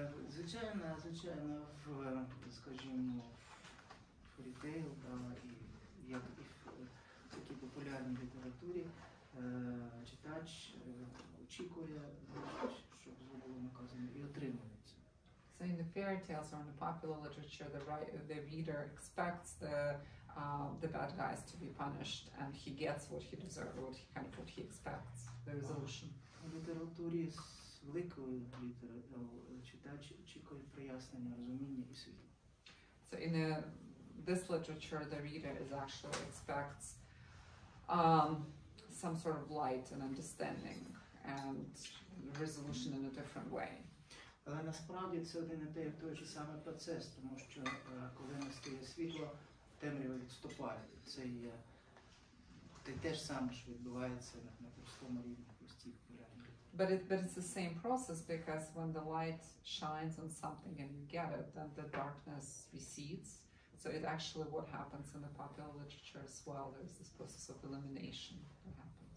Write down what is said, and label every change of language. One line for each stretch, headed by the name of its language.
Ukrainian: Звичайно, в, скажімо, в рітейл, да, і як і в такій популярній літературі, читач очікує, щоб зло було наказано, і отримується.
English: So in the fairy tales or in the popular literature, the reader expects the bad guys to be punished, and he gets what he deserves, what he kind of what he expects, the resolution.
Ukrainian: В літературі великої літери читач очікує прояснення, розуміння і світла.
English: So in this literature, the reader is actually expects some sort of light and understanding and resolution in a different way.
Ukrainian: Але насправді це один і той же самий процес, тому що коли настає світло, темрява відступає. Це є те ж саме, що відбувається на простому рівні, простій популярній.
English: But it's the same process, because when the light shines on something and you get it, then the darkness recedes. So it actually what happens in the popular literature as well, there's this process of illumination that happens.